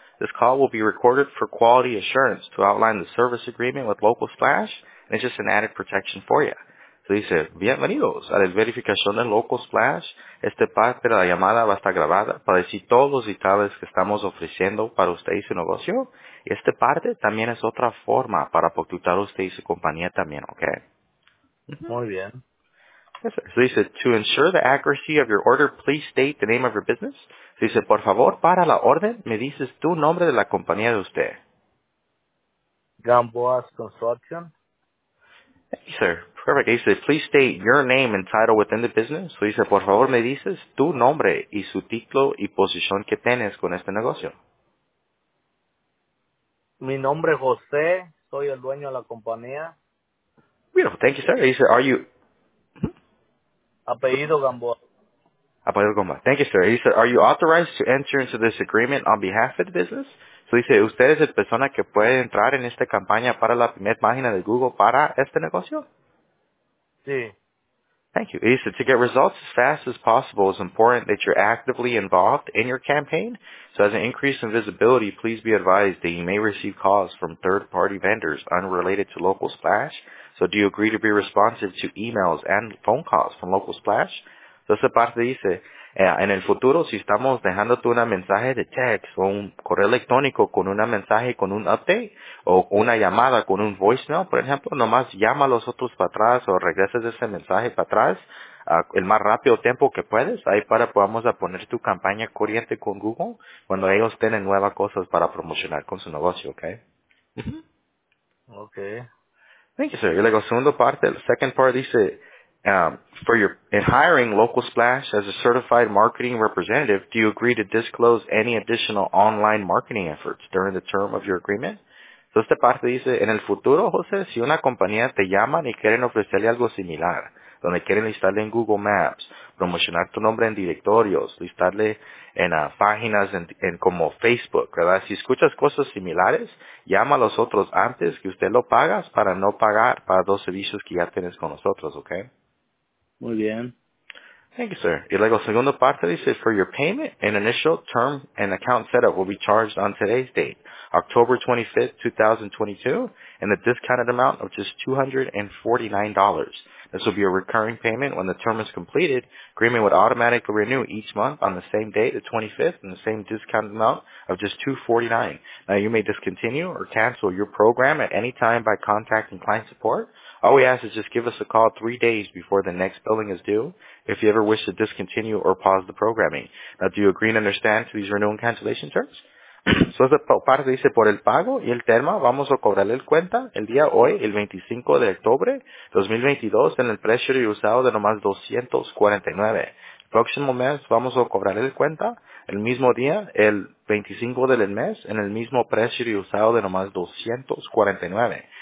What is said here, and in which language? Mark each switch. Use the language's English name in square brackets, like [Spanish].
[English] This call will be recorded for quality assurance to outline the service agreement with Local Splash. And it's just an added protection for you. [Spanish] So, dice, bienvenidos a la verificación de Local Splash. Esta parte de la llamada va a estar grabada para decir todos los detalles que estamos ofreciendo para usted y su negocio. Y esta parte también es otra forma para protegir a usted y su compañía también, ¿ok? Muy bien. [English] Yes, sir. So, [Spanish] dice, [English] to ensure the accuracy of your order, please state the name of your business. [Spanish] So, dice, por favor, para la orden, me dices tu nombre de la compañía de usted. [English] Gamboa's Construction. Thank you, sir. Perfect. He said, please state your name and title within the business. So he said, [Spanish] por favor, me dices tu nombre y su título y posición que tienes con este negocio. Mi nombre es José. Soy el dueño de la compañía. [English] Beautiful. Thank you, sir. He said, are you... [Spanish] Apellido Gamboa. Apellido Gamboa. [English] Thank you, sir. He said, are you authorized to enter into this agreement on behalf of the business? [Spanish] So dice, ¿usted es la persona que puede entrar en esta campaña para la primera página de Google para este negocio? Sí. [English] Thank you. [Spanish] Dice, [English] to get results as fast as possible, it's important that you're actively involved in your campaign. So as an increase in visibility, please be advised that you may receive calls from third-party vendors unrelated to Local Splash. So do you agree to be responsive to emails and phone calls from Local Splash? [Spanish] So esa parte dice... En el futuro, si estamos dejándote un mensaje de text o un correo electrónico con un mensaje con un update o una llamada con un voicemail, por ejemplo, nomás llama a los otros para atrás o regresas ese mensaje para atrás el más rápido tiempo que puedes. Ahí para podamos poner tu campaña corriente con Google cuando ellos tienen nuevas cosas para promocionar con su negocio, ¿ok? Ok. [English] Thank you, sir. [Spanish] Y luego, segunda parte, la [English] second part [Spanish] dice... [English] for your, in hiring Local Splash as a certified marketing representative, do you agree to disclose any additional online marketing efforts during the term of your agreement? [Spanish] So, esta parte dice, en el futuro, José, si una compañía te llama y quieren ofrecerle algo similar, donde quieren listarle en Google Maps, promocionar tu nombre en directorios, listarle en páginas en como Facebook, ¿verdad? Si escuchas cosas similares, llama a los otros antes que usted lo pagas para no pagar para dos servicios que ya tienes con nosotros, ¿ok? Muy bien. [English] Thank you, sir. [Spanish] Y luego, segunda parte dice, [English] for your payment, an initial term and account setup will be charged on today's date, October 25th, 2022, and the discounted amount of just $249. This will be a recurring payment when the term is completed. Agreement would automatically renew each month on the same date, the 25th, and the same discounted amount of just $249. Now, you may discontinue or cancel your program at any time by contacting client support. All we ask is just give us a call 3 days before the next billing is due if you ever wish to discontinue or pause the programming. Now, do you agree and understand to these renewal and cancellation terms? [Spanish] So, esa parte dice, por el pago y el tema, vamos a cobrarle el cuenta el día hoy, el 25 de octubre 2022, en el precio usado de nomás $249. El próximo mes, vamos a cobrarle el cuenta el mismo día, el 25 del mes, en el mismo precio usado de nomás $249.